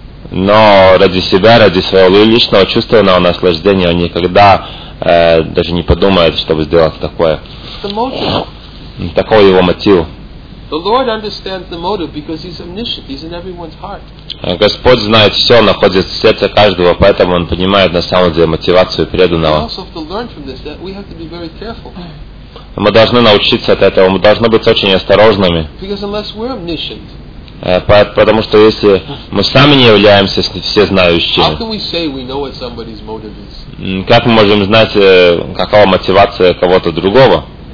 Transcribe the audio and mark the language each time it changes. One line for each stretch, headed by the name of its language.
Russian: Но ради себя, ради своего личного чувственного наслаждения он никогда даже не подумает, чтобы сделать такое. Такой его мотив.
English: The Lord understands the motive because He's omniscient. He's in everyone's heart.
Russian: Господь знает все, находит в сердце каждого, поэтому Он понимает на самом деле мотивацию преданного.
English: We also have to learn from this that we have to be very careful.
Russian: Мы должны научиться от этого. Мы должны быть очень осторожными.
English: Because unless we're omniscient,
Russian: потому что если мы сами не являемся всезнающими,
English: how can we say we know what somebody's motive is?
Russian: Как мы можем знать, какова мотивация кого-то другого?